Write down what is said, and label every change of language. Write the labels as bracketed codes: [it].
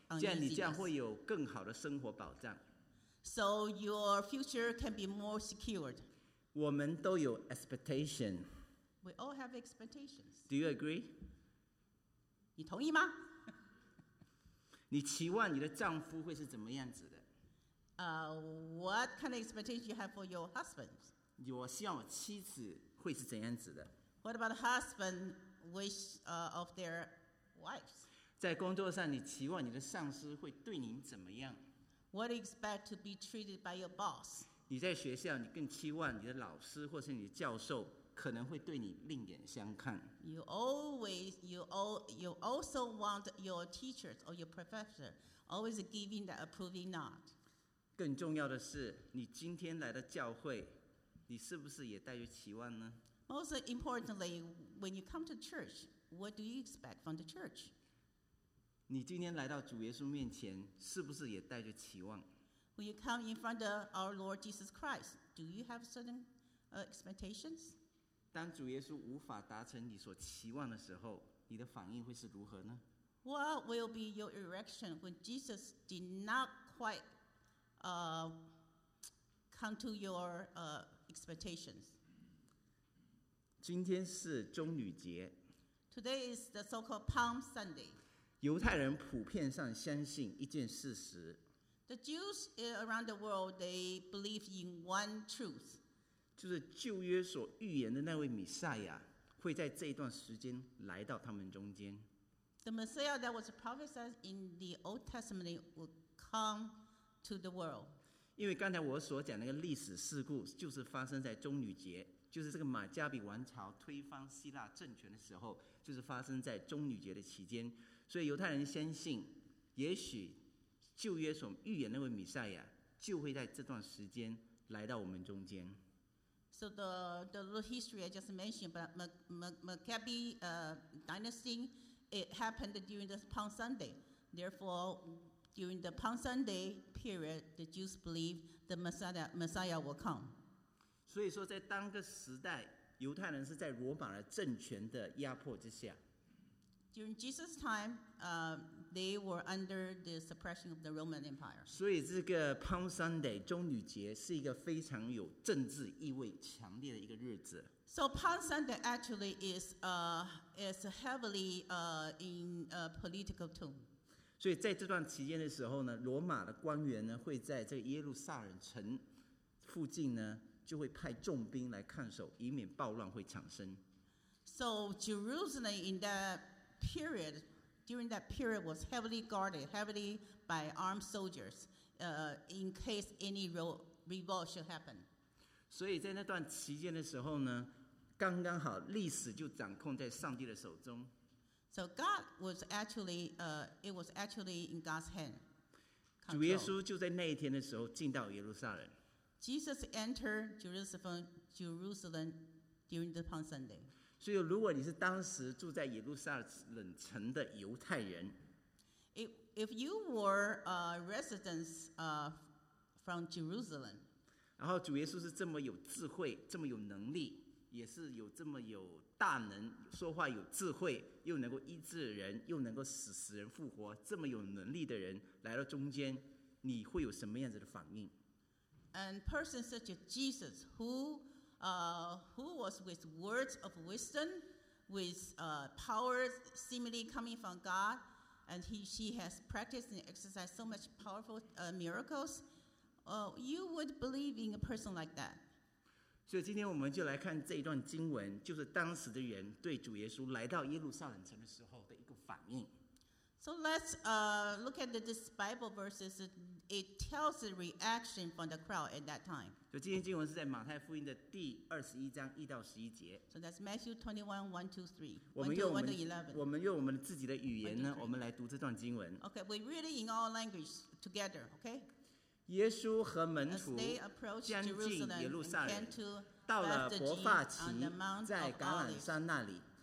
[zh] 这样你将会有更好的生活保障。 [en] So your future can be more secured. [zh] 我们都有 expectation. [en] We all have expectations. Do you agree? [zh] 你同意吗？你期望你的丈夫会是怎么样子的？ [en] What kind of expectation you have for your husband? [zh] 我希望我妻子会是怎样子的？ [en] What about the husband wish of their wives? [zh] 在工作上，你期望你的上司会对您怎么样？ [en] What do you expect to be treated by your boss? [zh] 你在学校，你更期望你的老师或是你的教授可能会对你另眼相看。 [en] You also want your teachers or your professor always giving the approving nod. [zh] 更重要的是，你今天来的教会，你是不是也带着期望呢？ [en] Most importantly, when you come to church, what do you expect from the church? [zh] 你今天来到主耶稣面前，是不是也带着期望？ [en] When you come in front of our Lord Jesus Christ, do you have certain expectations? [zh] 当主耶稣无法达成你所期望的时候，你的反应会是如何呢？ [en] What will be your reaction when Jesus did not quite come to your expectations? [zh] 今天是棕榈节。 [en] Today is the so-called Palm Sunday. [zh] 犹太人普遍上相信一件事实。 [en] The Jews around the world, they believe in one truth. [zh] 就是旧约所预言的那位弥赛亚会在这一段时间来到他们中间。 [en] The Messiah that was prophesied in the Old Testament would come to the world. [zh] 因为刚才我所讲那个历史事故就是发生在棕榈节，就是这个马加比王朝推翻希腊政权的时候，就是发生在棕榈节的期间。所以犹太人相信也许旧约所预言那位弥赛亚就会在这段时间来到我们中间。 [en] So the little history I just mentioned, but Maccabi dynasty, it happened during the Palm Sunday. Therefore, during the Palm Sunday period, the Jews believe the Messiah will come. [zh] 所以说，在当个时代，犹太人是在罗马的政权的压迫之下。 [en] During Jesus' time, they were under the suppression of the Roman Empire. [zh] 所以这个 Palm Sunday 棕榈节是一个非常有政治意味强烈的一个日子。 [en] So Palm Sunday actually is heavily in a political tone. [zh] 所以在这段期间的时候呢，罗马的官员呢会在这耶路撒冷城附近呢就会派重兵来看守，以免暴乱会产生。 [en] So Jerusalem in that period, during that period, was heavily guarded, heavily by armed soldiers, in case any revolt should happen. [zh] 所以在那段期间的时候呢，刚刚好历史就掌控在上帝的手中。 [en] So God was actually, it was actually in God's hand. [zh] 主耶稣就在那一天的时候进到耶路撒冷。 [en] Jesus entered Jerusalem during the Palm Sunday. [zh] 所以如果你是当时住在耶路撒冷城的犹太人， [en] If you were a resident from Jerusalem, [zh] 然后主耶稣是这么有智慧，这么有能力，也是有这么有大能，说话有智慧，又能够医治人，又能够使死人复活，这么有能力的人来到中间，你会有什么样子的反应？ [en] And person such as Jesus, who was with words of wisdom, with power seemingly coming from God, and she has practiced and exercised so much powerful miracles, you would believe in a person like that. [zh] 所以今天我们就来看这一段经文，就是当时的人对主耶稣来到耶路撒冷城的时候的一个反应。 [en] So let's look at this Bible verses. It tells the reaction from the crowd at that time. [zh] 就今天经文是在马太福音的第二十一章一到十一节。 [en] So that's Matthew 21, 1, 2, 3. [zh] 我们用我们自己的语言呢，我们来读这段经文。 [en] Okay, we read it in all language together, okay? [zh] 耶稣和门徒将近耶路撒冷，到了伯发奇，在橄榄山那里。